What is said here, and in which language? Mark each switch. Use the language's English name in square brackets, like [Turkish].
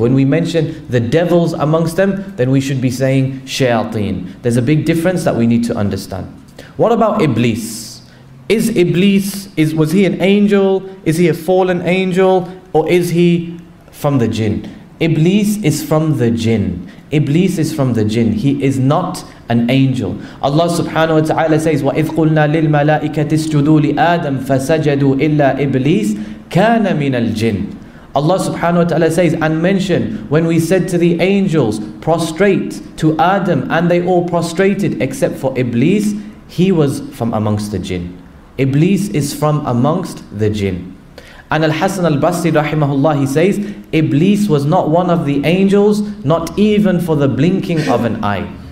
[English] When we mention the devils amongst them, then we should be saying shayateen. There's a big difference that we need to understand. What about Iblis? Was he an angel? Is he a fallen angel? Or is he from the jinn? Iblis is from the jinn. Iblis is from the jinn. He is not an angel. [Arabic] Allah subhanahu wa ta'ala says, وَإِذْ قُلْنَا لِلْمَلَائِكَةِ اسْجُدُوا لِآدَمَ فَسَجَدُوا إِلَّا إِبْلِيسِ كَانَ مِنَ الْجِنِ. [English] Allah subhanahu wa ta'ala says, and mention when we said to the angels, prostrate to Adam, and they all prostrated except for Iblis, he was from amongst the jinn. Iblis is from amongst the jinn. And Al-Hasan al-Basri rahimahullah, he says, Iblis was not one of the angels, not even for the blinking of an eye.